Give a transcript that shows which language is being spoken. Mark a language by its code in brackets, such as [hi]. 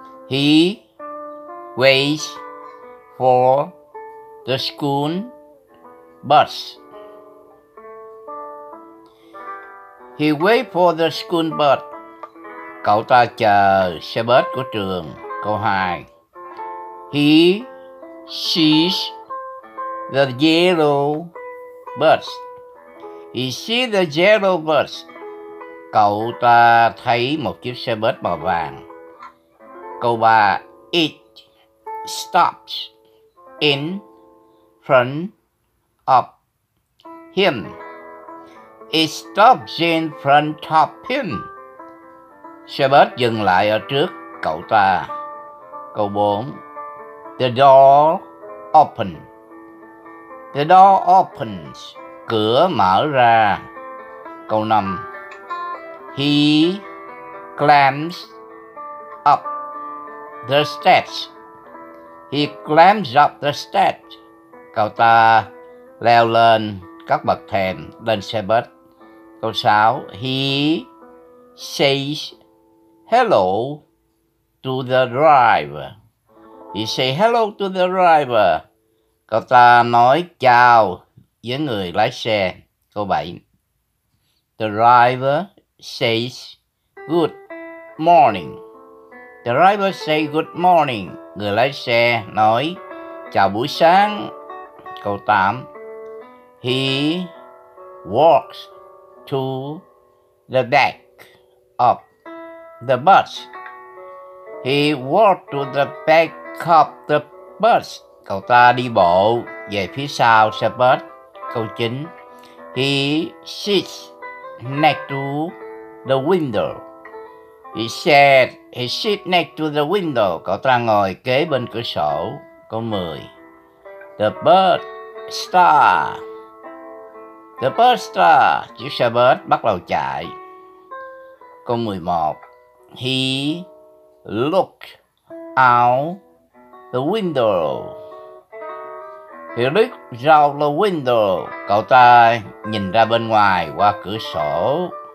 [en] He waits for the school bus. He waits for the school bus. [vi] Cậu ta chờ xe bus của trường. Câu 2. [en] He sees the yellow bus. He sees the yellow bus. [vi] Cậu ta thấy một chiếc xe bus màu vàng. Câu 3. [en] It stops in front of him. It stops in front of him. [vi] Xe bus dừng lại ở trước cậu ta. Câu 4. [en] The door opens. The door opens. [vi] Cửa mở ra. Câu 5. [en] He climbs up the steps. He climbs up the steps. [vi] Cậu ta leo lên các bậc thềm lên xe bus. Câu 6. [en] He says hello to the driver. He say hello to the driver. [vi] Cậu ta nói chào với người lái xe. Câu 7. [en] The driver says good morning. The driver say good morning. [vi] Người lái xe nói chào buổi sáng. Câu 8. [en] He walks to the back of the bus. He walked to the back of the bus. [vi] Cậu ta đi bộ về phía sau xe bus. Câu 9. [en] He sits next to the window. He said he sits next to the window. [vi] Cậu ta ngồi kế bên cửa sổ. Câu 10. [en] The bus starts. The bus starts. [vi] Chiếc xe bus bắt đầu chạy. Câu 11. [en] He looked out the window. He looked out the window. [vi] Cậu ta nhìn ra bên ngoài qua cửa sổ.